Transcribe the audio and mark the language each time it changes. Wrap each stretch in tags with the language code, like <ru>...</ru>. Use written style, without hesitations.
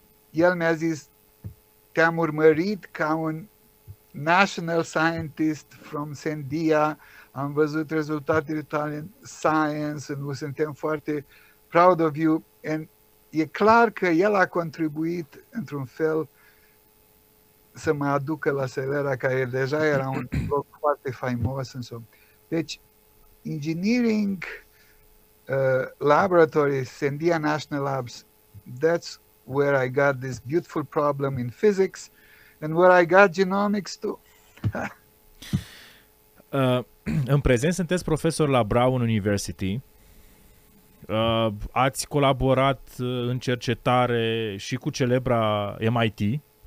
<ro>El mi-a zis, te-am urmărit ca un</ro> <en>national scientist from Sandia,</en> <ro>am văzut rezultatele tale în science and we suntem foarte</ro> <en>proud of you.</en> <ro>And e clar că el a contribuit într-un fel să mă aducă la Celera, care deja era un loc foarte faimos.</ro> <en>Deci, engineering laboratories, Sandia National Labs, that's where I got this beautiful problem in physics and where I got genomics too.</en> <ro>În prezent sunteți profesor la Brown University. Ați colaborat în cercetare și cu celebra MIT.</ro>